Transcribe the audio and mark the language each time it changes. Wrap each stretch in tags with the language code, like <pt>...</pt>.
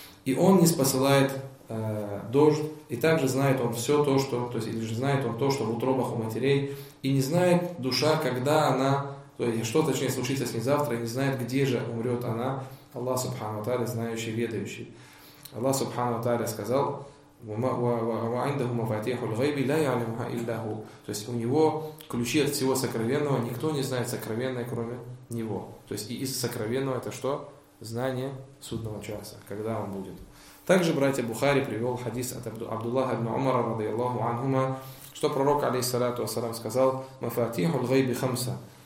<ru>И он не спосылает дождь, и также знает он все то, что, то есть, или же знает он то, что в утробах у матерей, и не знает душа, когда она, то есть, что точнее случится с ней завтра, и не знает, где же умрет она. Аллах Субхану ва Тааля знающий, ведающий. Аллах Субхану ва Тааля сказал:</ru> <ar>وَعِنْدَهُ مَفَاتِيحُ الْغَيْبِ لَا يَعْلَمُهَا إِلَّا هُوَ.</ar> <ru>То есть у него ключи от всего сокровенного, никто не знает сокровенное, кроме него. То есть и из сокровенного это что? Знание судного часа, когда он будет. Также братья Бухари привел хадис от Абдуллаха ибн Умара радиаллаху анхума, что пророк, алейхиссалату ассалам, сказал:</ru> <ar>«Мафатиху л-гайби хамса».</ar>